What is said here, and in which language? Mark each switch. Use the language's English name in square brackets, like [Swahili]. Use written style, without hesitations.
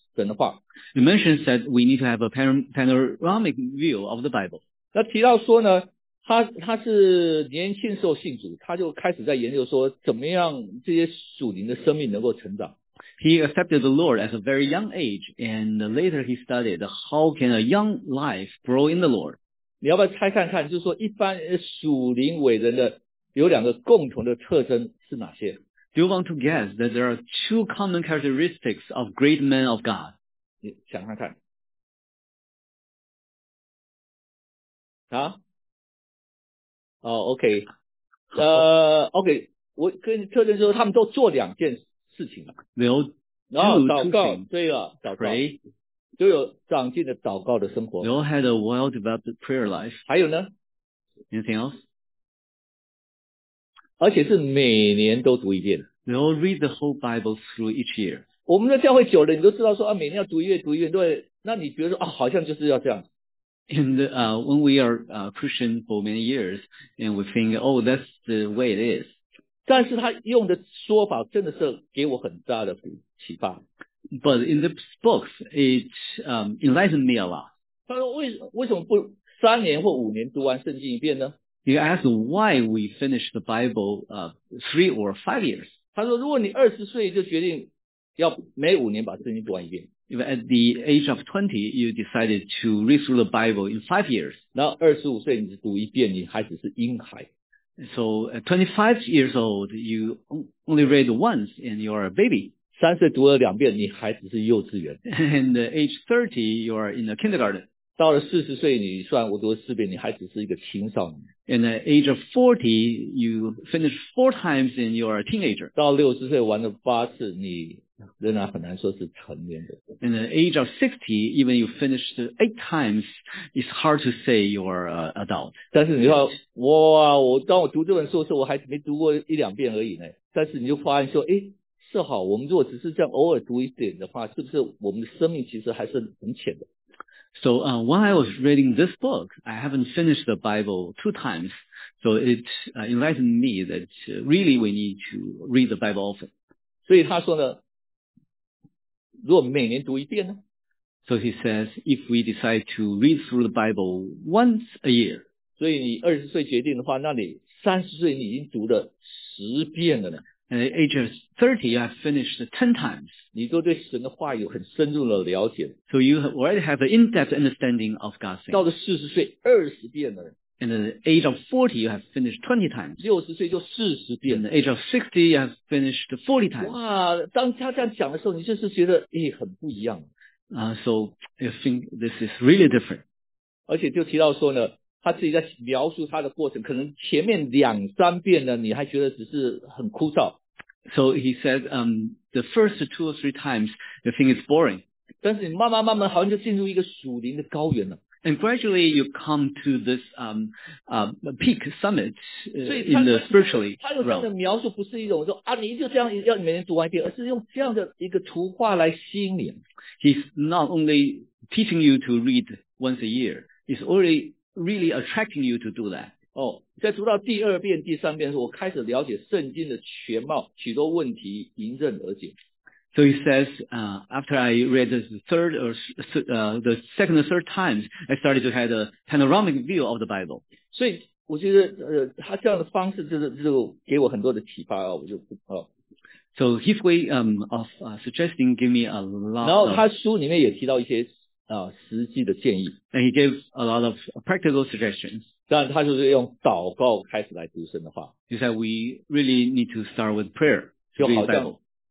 [English] It mentions that we need to have a panoramic view of the Bible. [Chinese] 那提到说呢，他是年轻时候信主，他就开始在研究说怎么样这些属灵的生命能够成长。 [English] He accepted the Lord at a very young age, and later he studied how can a young life grow in the Lord. [Chinese] 你要不要猜看看，就是说一般属灵伟人的有两个共同的特征是哪些？ [English] Do you want to guess that there are two common characteristics of great men of God? [Chinese] 你想看看。啊？哦，OK。 OK， 我跟特征说他们都做两件事情。 [English] They all do two things. [Chinese] 对了，祷告。都有长进的祷告的生活。 [English] They all had a well-developed prayer life. [Chinese] 还有呢？ [English] Anything else? [Chinese] 而且是每年都读一遍。 [English] They all read the whole Bible through each year. [Chinese] 我们的教会久了，你都知道说啊，每年要读一遍，读一遍，对。那你觉得说啊，好像就是要这样。 [English] And when we are Christian for many years, and we think, oh, that's the way it is. [Chinese] 但是他用的说法真的是给我很大的启发。 [English] But in the books, it enlightened me a lot. [Chinese] 他说为什么不三年或五年读完圣经一遍呢？ [English] He asked why we finished the Bible three or five years. [Chinese] 他说如果你20岁就决定要每五年把圣经读完一遍。 [English] If at the age of 20, you decided to read through the Bible in five years. [Chinese] 然后25岁你读一遍你还只是婴孩。 [English] So at 25 years old, you only read once and you are a baby. [Chinese] 3岁读了两遍你还只是幼稚园。 [English] And at age 30, you are in the kindergarten. [Chinese] 到了40岁你算我读了四遍你还只是一个青少年。 [English] And at age of 40, you finish four times and you are a teenager. [Chinese] 到60岁玩了八次你仍然很难说是成年的。 [English] And at age of 60, even you finished eight times, it's hard to say you are an adult. [Chinese] 但是你说哇当我读这本书的时候我还没读过一两遍而已呢。但是你就发现说诶是好我们如果只是这样偶尔读一点的话是不是我们的生命其实还是很浅的。 [English] So, when I was reading this book, I haven't finished the Bible two times, so it enlightened me that really we need to read the Bible often. [Chinese] 所以他说呢，如果每年读一遍呢？ [English] So he says, if we decide to read through the Bible once a year. [Chinese] 所以你20岁决定的话，那你30岁你已经读了10遍了呢。 [English] And at age of 30, you have finished 10 times. [Chinese] 你都对神的话有很深入的了解。 [English] So you already have an in-depth understanding of God's things. [Chinese] 到了40岁20遍了。 [English] And at the age of 40, you have finished 20 times. [Chinese] 60岁就40遍 [English] 了。And at the age of 60, you have finished 40 times. [Chinese] 哇当他这样讲的时候你就是觉得诶很不一样。 [English] So I think this is really different. [Chinese] 而且就提到说呢他自己在描述他的过程，可能前面两三遍呢，你还觉得只是很枯燥。 [English] So he said, the first two or three times, the thing is boring. [Chinese] 但是你慢慢慢慢好像就进入一个属灵的高原了。 [English] And gradually you come to this peak summit in the spiritually realm. [Chinese] 他用这样的描述不是一种说你一定要这样每天读完一遍而是用这样的一个图画来吸引你。 [English] He's not only teaching you to read once a year, he's already really attracting you to do that. [Chinese] 在读到第二遍第三遍我开始了解圣经的全貌许多问题迎刃而解。 [English] So he says, after I read this the second or third times, I started to have a panoramic view of the Bible. [Chinese] 所以我觉得, 他这样的方式就是给我很多的启发啊，我就哦。 [English] So his way of suggesting gave me a lot of... [Chinese] 然后他书里面也提到一些实际的建议。 [English] And he gave a lot of practical suggestions. [Chinese] 当然他就是用祷告开始来读神的话。 [English] He said we really need to start with prayer to read the Bible.